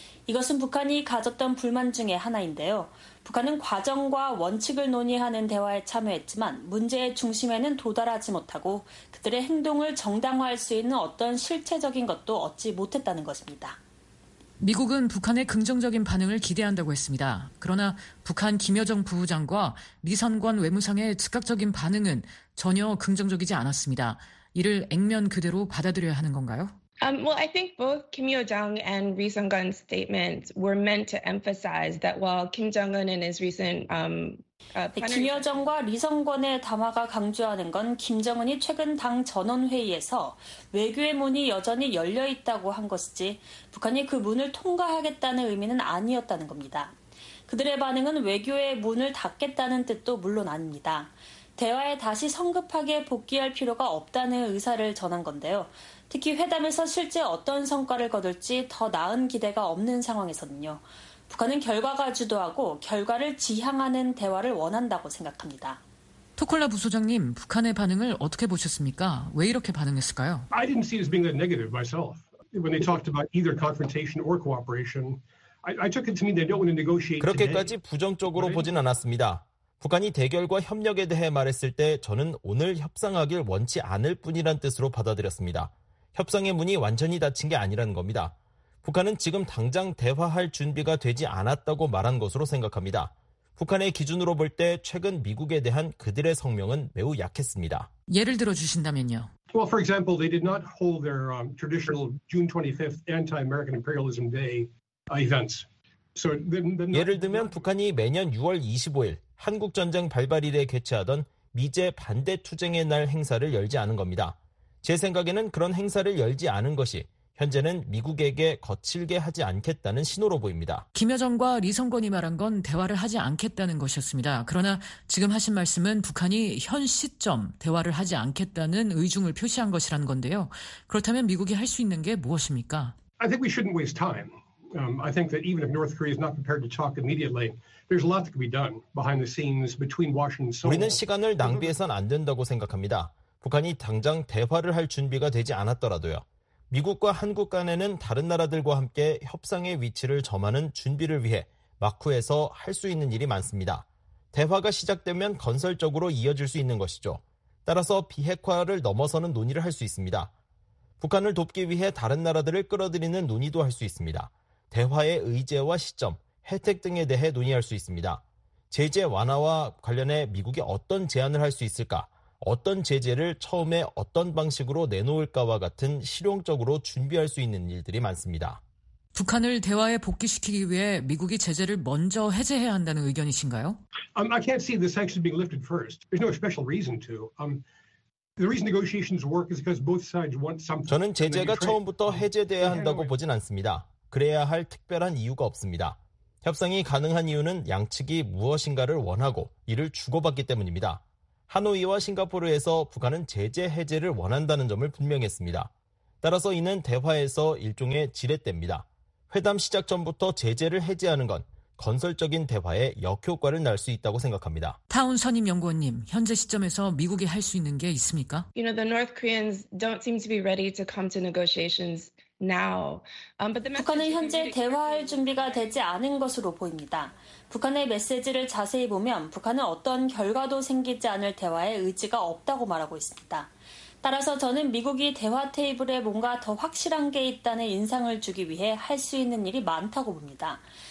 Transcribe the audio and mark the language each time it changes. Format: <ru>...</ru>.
<ko>이것은 북한이 가졌던 불만 중에 하나인데요. 북한은 과정과 원칙을 논의하는 대화에 참여했지만 문제의 중심에는 도달하지 못하고 그들의 행동을 정당화할 수 있는 어떤 실체적인 것도 얻지 못했다는 것입니다. 미국은 북한의 긍정적인 반응을 기대한다고 했습니다. 그러나 북한 김여정 부부장과 리선관 외무상의 즉각적인 반응은 전혀 긍정적이지 않았습니다. 이를 액면 그대로 받아들여야 하는 건가요?</ko> <en>Well, I think both Kim Yo-jong and Ri Sung-gun's statements were meant to emphasize that while Kim Jong-un and his recent</en> <ko>김 여정과 리성권의 담화가 강조하는 건 김정은이 최근 당 전원회의에서 외교의 문이 여전히 열려있다고 한 것이지 북한이 그 문을 통과하겠다는 의미는 아니었다는 겁니다. 그들의 반응은 외교의 문을 닫겠다는 뜻도 물론 아닙니다. 대화에 다시 성급하게 복귀할 필요가 없다는 의사를 전한 건데요. 특히 회담에서 실제 어떤 성과를 거둘지 더 나은 기대가 없는 상황에서는요. 북한은 결과가 주도하고 결과를 지향하는 대화를 원한다고 생각합니다. 토콜라 부소장님, 북한의 반응을 어떻게 보셨습니까? 왜 이렇게 반응했을까요?</ko> <en>I didn't see it as being a negative myself. When they talked about either confrontation or cooperation, I took it to mean they don't want to negotiate.</en> <ko>그렇게까지 부정적으로 보진 않았습니다. 북한이 대결과 협력에 대해 말했을 때 저는 오늘 협상하길 원치 않을 뿐이란 뜻으로 받아들였습니다. 협상의 문이 완전히 닫힌 게 아니라는 겁니다. 북한은 지금 당장 대화할 준비가 되지 않았다고 말한 것으로 생각합니다. 북한의 기준으로 볼 때 최근 미국에 대한 그들의 성명은 매우 약했습니다. 예를 들어 주신다면요.</ko> <en>Well, for example, they did not hold their traditional June 25th anti-American imperialism day events. So then</en> <ko>예를 들면 북한이 매년 6월 25일 한국 전쟁 발발일에 개최하던 미제 반대 투쟁의 날 행사를 열지 않은 겁니다. 제 생각에는 그런 행사를 열지 않은 것이 현재는 미국에게 거칠게 하지 않겠다는 신호로 보입니다. 김여정과 리성권이 말한 건 대화를 하지 않겠다는 것이었습니다. 그러나 지금 하신 말씀은 북한이 현 시점 대화를 하지 않겠다는 의중을 표시한 것이라는 건데요. 그렇다면 미국이 할 수 있는 게 무엇입니까?</ko> <en>I think we shouldn't waste time. I think that even if North Korea is not prepared to talk immediately, there's a lot that can be done behind the scenes between Washington and Seoul.</en> <ko>우리는 시간을 낭비해선 안 된다고 생각합니다. 북한이 당장 대화를 할 준비가 되지 않았더라도요. 미국과 한국 간에는 다른 나라들과 함께 협상의 위치를 점하는 준비를 위해 마쿠에서 할 수 있는 일이 많습니다. 대화가 시작되면 건설적으로 이어질 수 있는 것이죠. 따라서 비핵화를 넘어서는 논의를 할 수 있습니다. 북한을 돕기 위해 다른 나라들을 끌어들이는 논의도 할 수 있습니다. 대화의 의제와 시점, 혜택 등에 대해 논의할 수 있습니다. 제재 완화와 관련해 미국이 어떤 제안을 할 수 있을까? 어떤 제재를 처음에 어떤 방식으로 내놓을까와 같은 실용적으로 준비할 수 있는 일들이 많습니다. 북한을 대화에 복귀시키기 위해 미국이 제재를 먼저 해제해야 한다는 의견이신가요?</ko> <en>I can't see the sanctions being lifted first. There's no special reason to. The reason negotiations work is because both sides want something.</en> <ko>저는 제재가 처음부터 해제돼야 한다고 보진 않습니다. 그래야 할 특별한 이유가 없습니다. 협상이 가능한 이유는 양측이 무엇인가를 원하고 이를 주고받기 때문입니다. 하노이와 싱가포르에서 북한은 제재 해제를 원한다는 점을 분명했습니다. 따라서 이는 대화에서 일종의 지렛대입니다. 회담 시작 전부터 제재를 해제하는 건 건설적인 대화에 역효과를 낼 수 있다고 생각합니다. 타운 선임 연구원님, 현재 시점에서 미국이 할 수 있는 게 있습니까?</ko> <en>You know, the North Koreans don't seem to be ready to come to negotiations now. But the</en> <ko>북한은 현재 대화할 준비가 되지 않은 것으로 보입니다. 북한의 메시지를 자세히 보면 북한은 어떤 결과도 생기지 않을 대화에 의지가 없다고 말하고 있습니다. 따라서 저는 미국이 대화 테이블에 뭔가 더 확실한 게 있다는 인상을 주기 위해 할 수 있는 일이 많다고 봅니다.</ko>